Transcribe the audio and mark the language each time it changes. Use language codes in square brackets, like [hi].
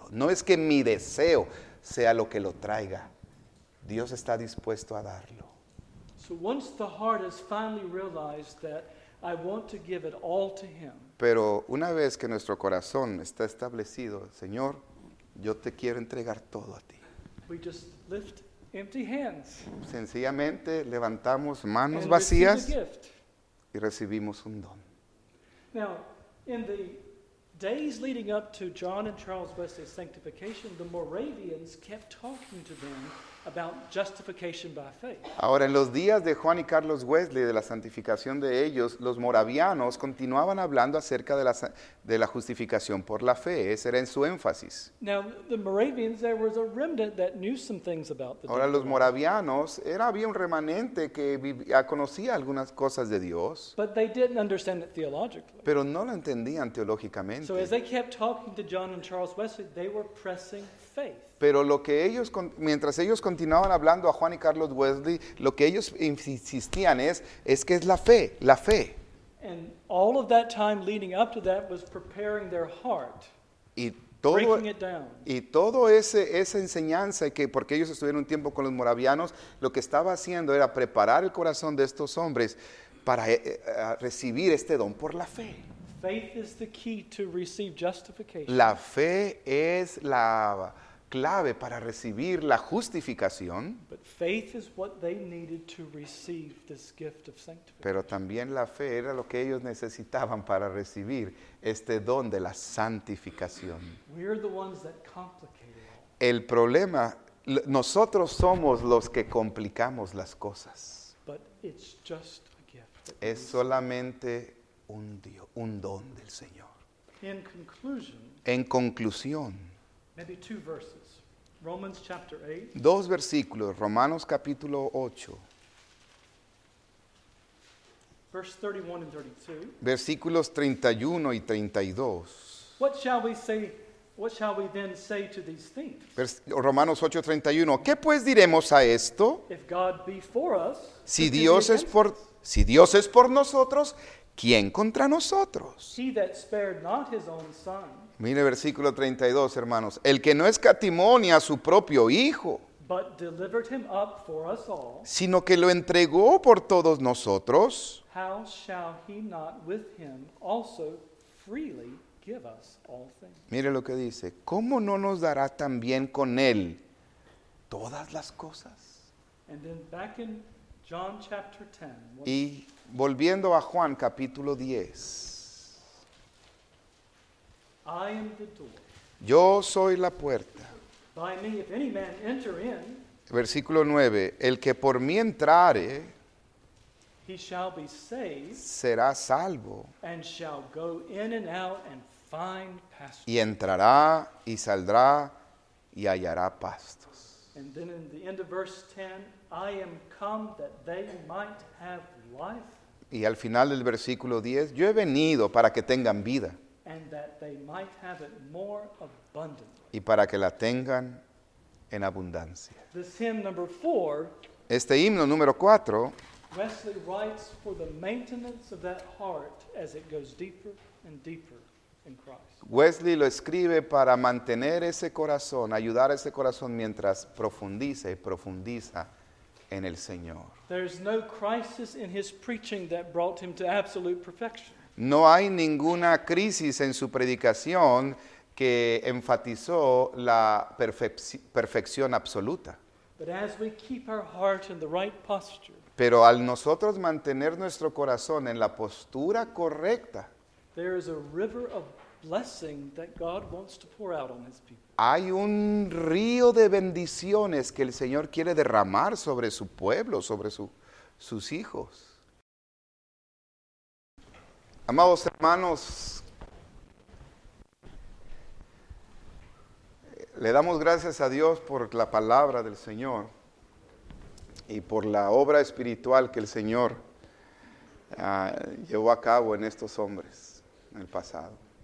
[es] No es que mi deseo sea lo que lo traiga. Dios está dispuesto a darlo. [en] So once the heart has finally realized that I want to give it all to him. [es] Pero una vez que nuestro corazón está establecido, Señor, yo te quiero entregar todo a ti. [en] We just lift empty hands. [es] Sencillamente levantamos manos vacías y recibimos un don. [en] Now, in the days leading up to John and Charles Wesley's sanctification, the Moravians kept talking to them about justification by faith. [es] Ahora, en los días de Juan y Carlos Wesley, de la santificación de ellos, los moravianos continuaban hablando acerca de la justificación por la fe. Ese era en su énfasis. [en] Now, the Moravians, there was a remnant that knew some things about the [es] Ahora, los moravianos, había un remanente que conocía algunas cosas de Dios. [en] But they didn't understand it theologically. [es] Pero no lo entendían teológicamente. [en] So as they kept talking to John and Charles Wesley, they were pressing faith. [es] Pero mientras ellos continuaban hablando a Juan y Carlos Wesley, lo que ellos insistían es que es la fe, la fe. [en] And all of that time leading up to that was preparing their heart. [es] Y todo esa enseñanza, porque ellos estuvieron un tiempo con los moravianos, lo que estaba haciendo era preparar el corazón de estos hombres para recibir este don por la fe. [en] Faith is the key to receive justification. [es] La fe es la clave para recibir la justificación. [en] But faith is what they needed to receive this gift of sanctification. [es] Pero también la fe era lo que ellos necesitaban para recibir este don de la santificación. [en] We are the ones that complicate it. [es] El problema, nosotros somos los que complicamos las cosas. [en] But it's just a gift. [es] Es solamente un don del Señor. En conclusión, [en] maybe two verses. Romans chapter 8. [es] Dos versículos. Romanos capítulo 8. [en] Verse 31 and 32. [es] Versículos 31 y 32. [en] What shall we then say to these things? [es] Romanos 8, 31. ¿Qué pues diremos a esto? [en] If God be for us, [es] si Dios es por nosotros, ¿quién contra nosotros? [en] He that spared not his own son. [es] Mire versículo 32, hermanos. El que no escatimó ni a su propio Hijo, [en] but delivered him up for us all, [es] sino que lo entregó por todos nosotros, [en] how shall he not with him also freely give us all things? [es] Mire lo que dice. ¿Cómo no nos dará también con él todas las cosas? [en] And then back in John chapter 10, [es] y volviendo a Juan capítulo 10. [en] I am the door. [es] Yo soy la puerta. [en] By me, if any man enter in, [es] versículo 9. El que por mí entrare, [en] he shall be saved, [es] será salvo. [en] And shall go in and out and find pastures. [es] Y entrará y saldrá y hallará pastos. [en] And then in the end of verse 10, I am come that they might have life. [es] Y al final del versículo 10, yo he venido para que tengan vida. [en] And that they might have it more abundantly. [es] Y para que la tengan en abundancia. [en] This hymn number 4, [es] este himno número 4, [en] Wesley writes for the maintenance of that heart as it goes deeper and deeper in Christ. [es] Wesley lo escribe para mantener ese corazón, ayudar a ese corazón mientras profundiza y profundiza en el Señor. [en] There's no crisis in his preaching that brought him to absolute perfection. [es] No hay ninguna crisis en su predicación que enfatizó la perfección absoluta. [en] But as we keep our heart in the right posture, [es] pero al nosotros mantener nuestro corazón en la postura correcta, [en] there is a river of blessing that God wants to pour out on his people. [es] Hay un río de bendiciones que el Señor quiere derramar sobre su pueblo, sobre sus hijos. Amados hermanos, le damos gracias a Dios por la palabra del Señor y por la obra espiritual que el Señor llevó a cabo en estos hombres en el pasado.